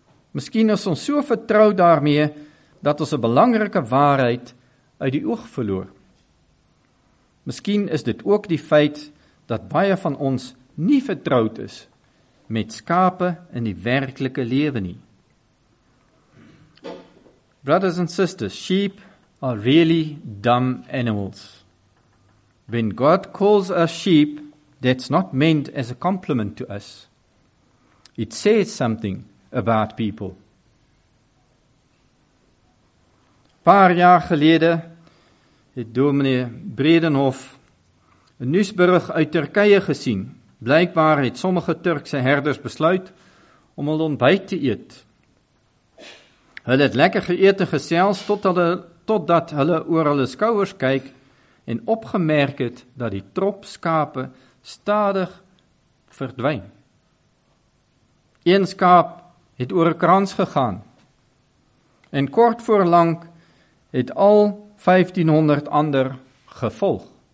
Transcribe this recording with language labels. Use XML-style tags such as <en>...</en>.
<af>Miskien is ons so vertrou daarmee, dat ons 'n belangrike waarheid uit die oog verloor. Miskien is dit ook die feit, dat baie van ons nie vertroud is met skape in die werklike lewe nie.</af> <en>Brothers and sisters, sheep are really dumb animals. When God calls us sheep, that's not meant as a compliment to us. It says something about people.</en> <af>Paar jaar gelede het dominee Bredenhof een nuusberig uit Turkije gesien. Blijkbaar het sommige Turkse herders besluit om hulle ontbijt te eet. Hulle het lekker geëet en gesels totdat hulle oor hulle skouers kyk en opgemerk het dat die trop skape stadig verdwyn. Een skaap het oor 'n krans gegaan en kort voor lank het al 1500 ander gevolg.</af>